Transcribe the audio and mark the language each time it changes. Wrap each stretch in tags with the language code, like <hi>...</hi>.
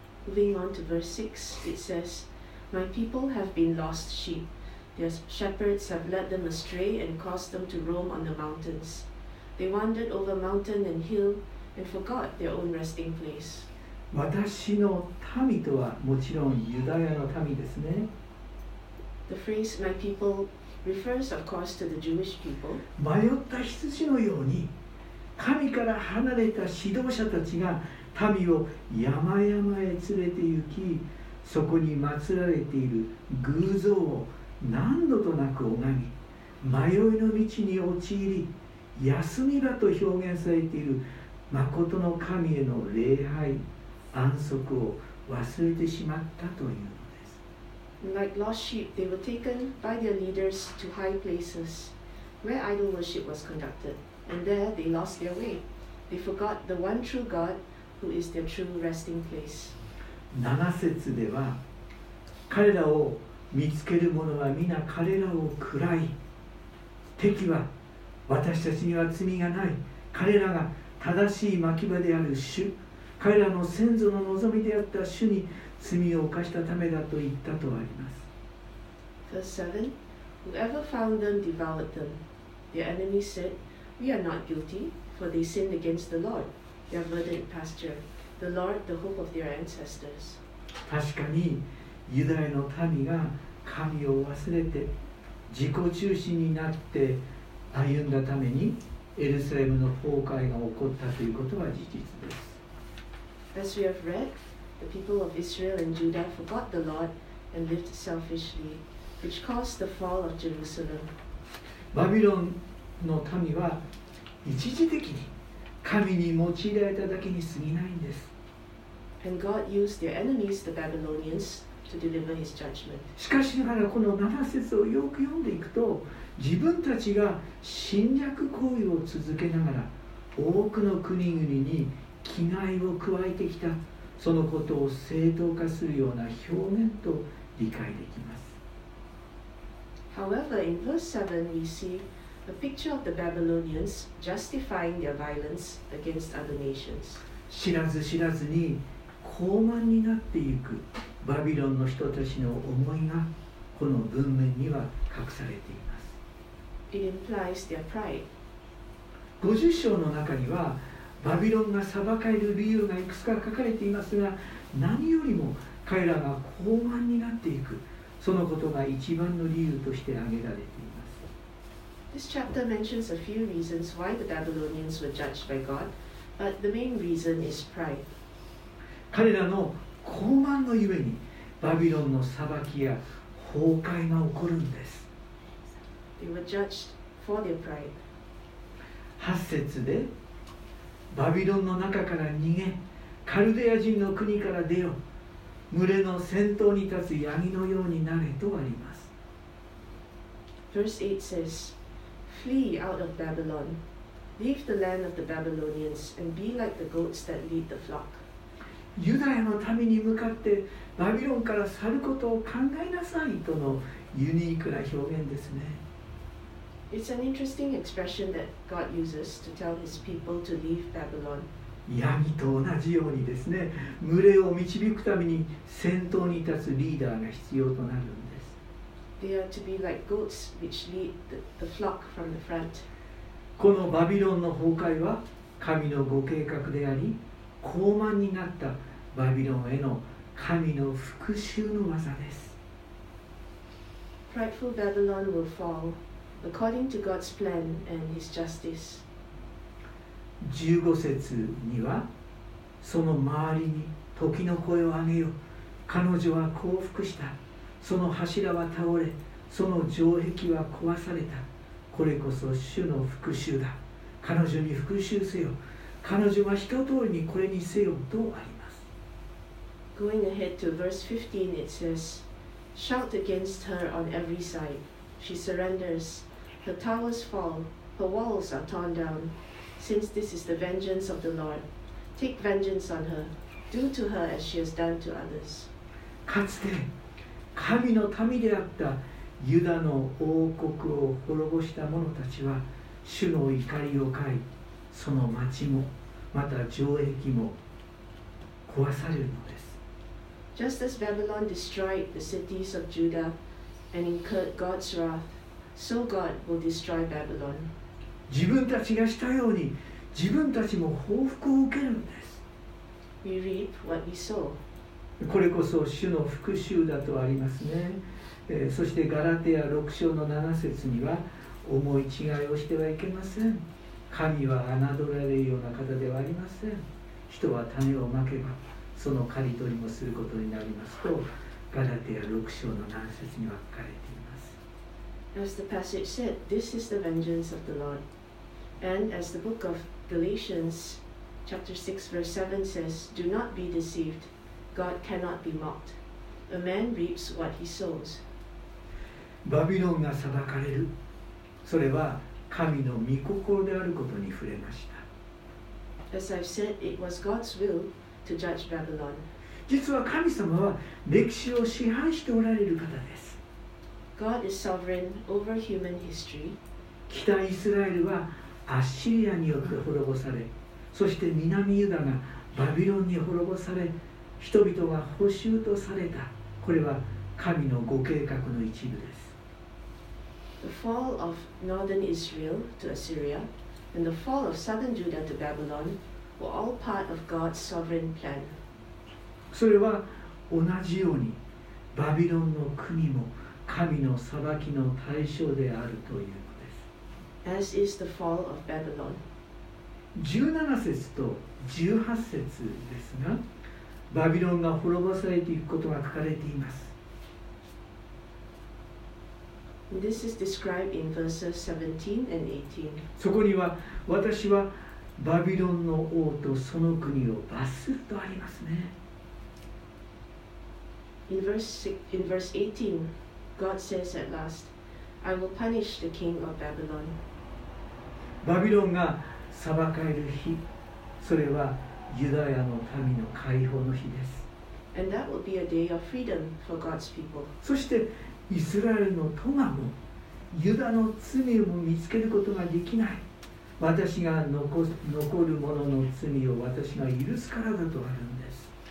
<en>Moving on to verse 6, it says, My people have been lost sheep. Their shepherds have led them astray and caused them to roam on the mountains. They wandered over mountain and hill. And forgot their own resting place.</en> <ja>私の民とはもちろんユダヤの民ですね。</ja> <en>The phrase my people refers of course to the Jewish people.</en> <ja>迷った羊のように神から離れた指導者たちが民を山々へ連れて行き、そこに祀られている偶像を何度となく拝み、迷いの道に陥り、休み場と表現されている誠の神への礼拝、安息を忘れてしまったというのです。</ja> <en>Like lost sheep, they were taken by their leaders to high places where idol worship was conducted, and there they lost their way. They forgot the one true God who is their true resting place.</en> <ja>7節では、彼らを見つける者は皆彼らを喰らい、敵は私たちには罪がない、彼らが正しい牧場である主、彼らの先祖の望みであった主に罪を犯したためだと言ったとあります。</ja> <en>Verse 7: Whoever found them devoured them. Their enemies said, We are not guilty, for they sinned against the Lord, their verdant pasture, the Lord, the hope of their ancestors.</en> <ja>確かに、ユダヤの民が神を忘れて、自己中心になって歩んだために、エルサレムの崩壊が起こったということは事実です。</ja> <en>As we have read, the people of Israel and Judah forgot the Lord and lived selfishly, which caused the fall of Jerusalem.</en> <ja>バビロンの民は一時的に神に用いられただけに過ぎないんです。</ja> <en>And God used their enemies, the Babylonians, to deliver his judgment.</en> <ja>しかしながらこの7節をよく読んでいくと、自分たちが侵略行為を続けながら多くの国々に危害を加えてきた、そのことを正当化するような表現と理解できます。</ja> <en>However, in verse 7 we see a picture of the Babylonians justifying their violence against other nations.</en> <ja>知らず知らずに高慢になっていくバビロンの人たちの思いがこの文面には隠されています。</ja> <en>It implies their pride.</en> <ja>50章の中にはバビロンが裁かれる理由がいくつか書かれていますが、何よりも彼らが高慢になっていく、そのことが一番の理由として挙げられています。</ja> <en>This chapter mentions a few reasons why the Babylonians were judged by God, but the main reason is pride.</en> <ja>彼らの高慢のゆえにバビロンの裁きや崩壊が起こるんです。</ja> <en>They were judged for their pride.</en> <ja>8節でバビロンの中から逃げ、カルデア人の国から出よ、群れの先頭に立つヤギのようになれとあります。</ja> <en>Verse 8 says, Flee out of Babylon, leave the land of the Babylonians, and be like the goats that lead the flock.</en> <ja>ユダヤの民に向かってバビロンから去ることを考えなさいとのユニークな表現ですね。</ja> <en>It's an interesting expression that God uses to tell his people to leave Babylon.</en> <ja>ヤギと同じようにですね、群れを導くために先頭に立つリーダーが必要となるんです。</ja> <en>They are to be like goats which lead the flock from the front.</en> <ja>このバビロンの崩壊は神のご計画であり、高慢になったバビロンへの神の復讐の技です。</ja> <en>Prideful Babylon will fall. According to God's plan and His justice.</en> <ja>15節にはその周りに時の声を上げよ、彼女は降伏した、その柱は倒れ、その城壁は壊された、これこそ主の復讐だ、彼女に復讐せよ、彼女は一通りにこれにせよとあります。</ja> <en>Going ahead to verse 15, it says, Shout against her on every side. She surrenders. Her towers fall. Her walls are torn down. Since this is the vengeance of the Lord, take vengeance on her. Do to her as she has done to others.</en> <ja>かつて神の民であったユダの王国を滅ぼした者たちは主の怒りを買い、その町もまた城壁も壊されるのです。</ja> <en>Just as Babylon destroyed the cities of Judah. And incurred God's wrath, so God will destroy Babylon.</en> <ja>自分たちがしたように自分たちも報復を受けるんです。</ja> <en>We reap what we sow.</en> <ja>これこそ主の復讐だとありますね。そしてガラテヤ6章の7節には、思い違いをしてはいけません、神は侮られるような方ではありません、人は種をまけばその刈り取りもすることになりますと、ガラテヤ6章の何節には書かれています。</ja> <en>As the passage said, this is the vengeance of the Lord. And as the book of Galatians, chapter 6, verse 7 says, Do not be deceived. God cannot be mocked. A man reaps what he sows.</en> <ja>バビロンが裁かれる。それは神の御心であることに触れました。</ja> <en>As I've said, it was God's will to judge Babylon.</en> <ja>実は神様は歴史を支配しておられる方です。</ja> <en>God is sovereign over human history.</en> <ja>北イスラエルはアッシリアによって滅ぼされ、そして南ユダがバビロンに滅ぼされ、人々が捕囚とされた、これは神のご計画の一部です。</ja> <en>The fall of northern Israel to Assyria and the fall of southern Judah to Babylon were all part of God's sovereign plan.</en> <ja>それは同じようにバビロンの国も神の裁きの対象であるというのです。</ja> <en>As is the fall of Babylon.</en> <ja>17節と18節ですが、バビロンが滅ぼされていくことが書かれています。</ja> <en>This is described in verses 17 and 18.</en> <ja>そこには私はバビロンの王とその国を罰するとありますね。</ja> <en>In verse 18, God says at last, I will punish the king of Babylon.</en> <ja>バビロンが裁かれる日、それはユダヤの民の解放の日です。</ja> <en>And that will be a day of freedom for God's people.</en> <ja>そしてイスラエルの友もユダの罪を見つけることができない。私が残る者の罪を私が許すからだとあるんです。</ja>